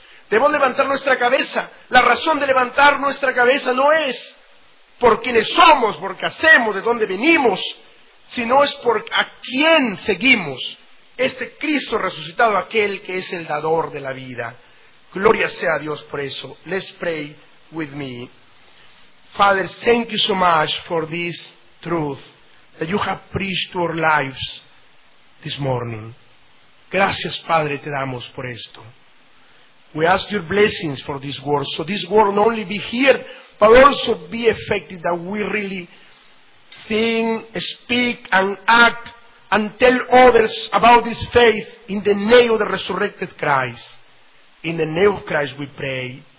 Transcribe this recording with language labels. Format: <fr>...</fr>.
<es>Debemos levantar nuestra cabeza. La razón de levantar nuestra cabeza no es por quienes somos, por qué hacemos, de dónde venimos, sino es por a quién seguimos. Este Cristo resucitado, aquel que es el dador de la vida. Gloria sea a Dios por eso.</es> <en>Let's pray with me. Father, thank you so much for this truth that you have preached to our lives this morning.</en> <es>Gracias, Padre, te damos por esto.</es> <en>We ask your blessings for this word, so this word not only be here, but also be effective, that we really think, speak, and act, and tell others about this faith in the name of the resurrected Christ. In the name of Christ we pray.</en>